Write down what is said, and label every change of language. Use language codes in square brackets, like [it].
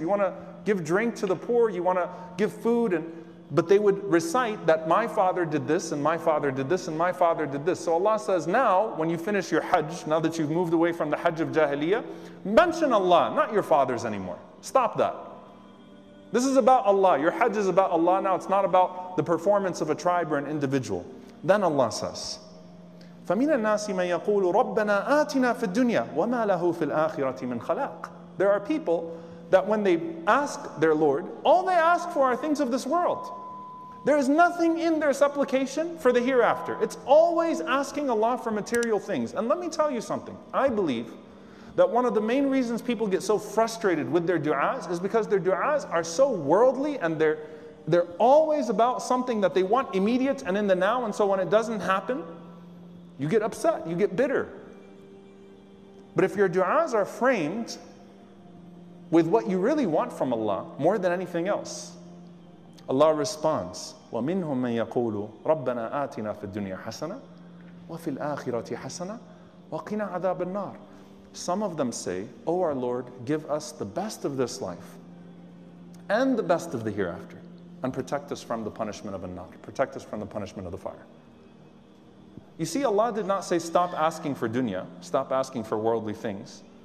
[en] You want to give drink to the poor, you want to give food, and but they would recite that my father did this, and my father did this, and my father did this. So Allah says, now when you finish your Hajj, now that you've moved away from the Hajj of Jahiliyyah, mention Allah, not your fathers anymore. Stop that. This is about Allah. Your Hajj is about Allah now. It's not about the performance of a tribe or an individual. Then Allah says, [ar] فَمِنَ النَّاسِ مَنْ يَقُولُ رَبَّنَا آتِنَا فِي الدُّنْيَا وَمَا لَهُ فِي الْآخِرَةِ مِنْ خَلَاقٍ. [en] There are people that when they ask their Lord, all they ask for are things of this world. There is nothing in their supplication for the hereafter. It's always asking Allah for material things. And let me tell you something. I believe that one of the main reasons people get so frustrated with their du'as is because their du'as are so worldly, and they're always about something that they want immediate and in the now. And so when it doesn't happen, you get upset, you get bitter. But if your du'as are framed with what you really want from Allah more than anything else. Allah responds, [ar] وَمِنْهُمْ مَنْ يَقُولُ رَبَّنَا آتِنَا فِي الدُّنْيَا حَسَنَةً وَفِي الْآخِرَةِ حَسَنَةً وَقِنَا عَذَابَ النَّارِ. [en] Some of them say, O our Lord, give us the best of this life and the best of the hereafter, and protect us from the punishment of an-nar, protect us from the punishment of the fire. You see, Allah did not say, stop asking for dunya, stop asking for worldly things.